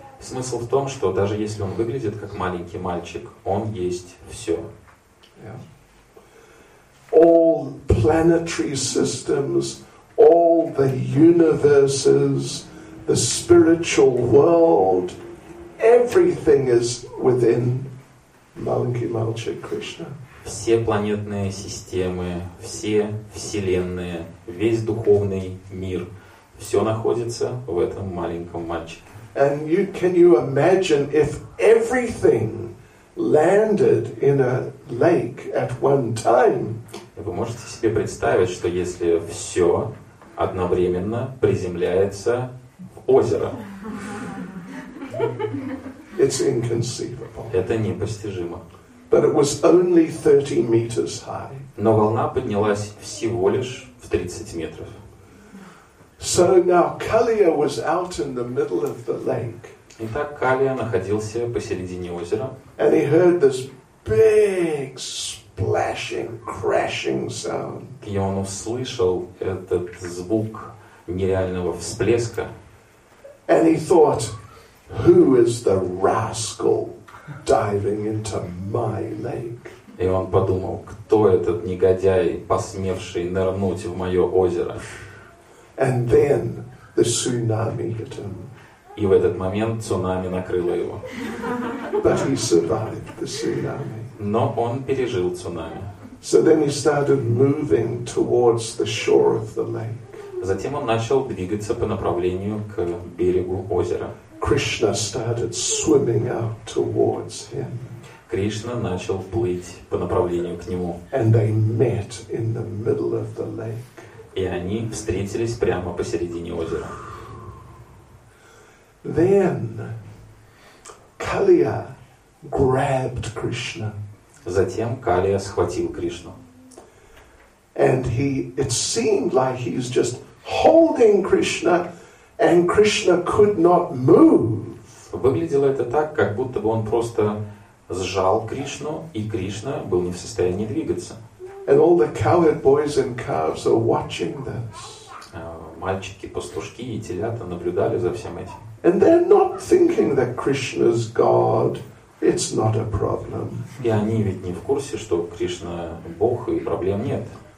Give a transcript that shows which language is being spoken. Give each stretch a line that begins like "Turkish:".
Russian: Смысл в том, что даже если он выглядит как маленький мальчик, он есть все.
English: Yeah. All planetary systems, all the universes, the spiritual world, everything is within
Russian: Malanki Malchik
English: Krishna.
Russian: Все планетные системы, все вселенные, весь духовный мир, все находится в этом маленьком мальчике.
English: And you, can you imagine if everything landed in a lake at one time?
Russian: Вы можете себе представить, что если все одновременно приземляется озеро.
English: It's inconceivable.
Russian: Это непостижимо.
English: But it was only 30 meters high.
Russian: Но волна поднялась всего лишь в 30 метров.
English: So now Kaliya was out in the middle of the lake.
Russian: Итак, Калия находился посередине озера.
English: And he heard this big splashing, crashing sound.
Russian: И он услышал этот звук нереального всплеска.
English: And he thought, who is the rascal diving into my lake?
Russian: И он подумал, кто этот негодяй, посмевший нырнуть в мое озеро?
English: And then the tsunami hit him.
Russian: И в этот момент цунами накрыло его.
English: But he survived the tsunami.
Russian: Но он пережил цунами.
English: So then he started moving towards the shore of the lake.
Russian: Затем он начал двигаться по направлению к берегу озера.
English: Krishna started swimming out towards him.
Russian: Кришна начал плыть по направлению к нему.
English: And they met in the middle of the lake.
Russian: И они встретились прямо посередине озера.
English: Then Kaliya grabbed Krishna.
Russian: Затем Калия схватил Кришну.
English: And he, it seemed like he was just holding Krishna, and Krishna could not move.
Russian: Выглядело это так, как будто бы он просто сжал Кришну, и Кришна был не в состоянии двигаться.
English: And all the cowherd boys and calves are watching this.
Russian: Мальчики, пастушки и телята наблюдали за всем этим.
English: And they're not thinking that Krishna's God. It's not a problem.
Russian: И они ведь не в курсе, что Кришна Бог и проблем нет.